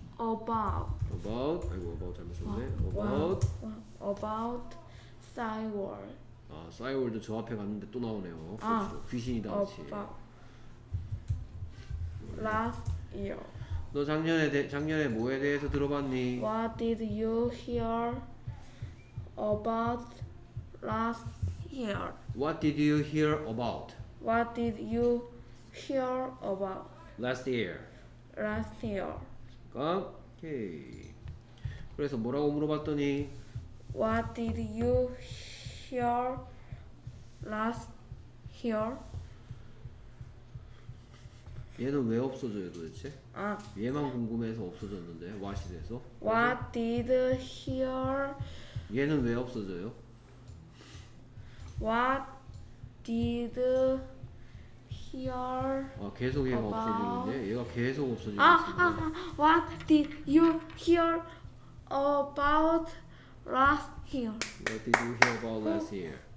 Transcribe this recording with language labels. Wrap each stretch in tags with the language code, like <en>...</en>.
<en>About.</en> <ko>아이고, about 잘못 썼네.</ko> <en>About. About. Cyworld.</en> <ko>아, Cyworld 저 앞에 갔는데 또 나오네요. 아. 귀신이다, 같이.</ko> <en>Last year.</en> <ko>너 작년에 뭐에 대해서 들어봤니?</ko> <en>What did you hear about last year? What did you hear about? What did you hear about? Last year. Last year. 오케이.</en> <ko>그래서 뭐라고 물어봤더니?</ko> <en>What did you hear last year?</en> <ko>얘는 왜 없어져요 도대체? 아. 얘만 궁금해서 없어졌는데 what이 돼서.</ko> <en>What did hear?</en> <ko>얘는 왜 없어져요?</ko> <en>What did hear?</en> <ko>아 계속 얘가</ko> <en>about...</en> <ko>없어지는데 얘가 계속 없어지고 있어요.</ko> <en>아, 아, 아, what did you hear about last year? What did you hear about last year?</en>